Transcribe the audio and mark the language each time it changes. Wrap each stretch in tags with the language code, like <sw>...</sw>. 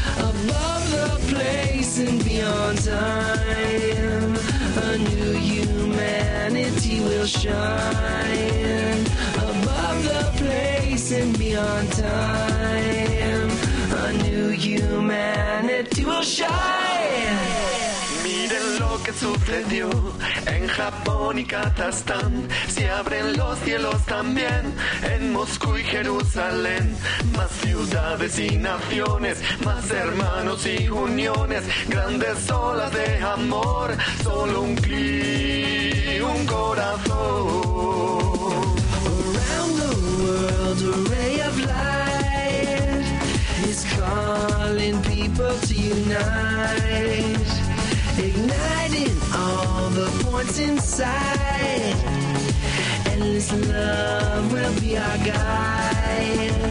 <en>Above the place and beyond time, a new humanity will shine. Above the place and beyond time, a new humanity will shine.</en> <es>Miren lo que sucedió en Japón y Kazajstán. Se abren los cielos también en Moscú y Jerusalén. Más ciudades y naciones, más hermanos y uniones, grandes olas de amor, solo un clic, un corazón.</es> <en>Around the world a ray of light is calling people to unite, igniting all the points inside. Endless love will be our guide.</en>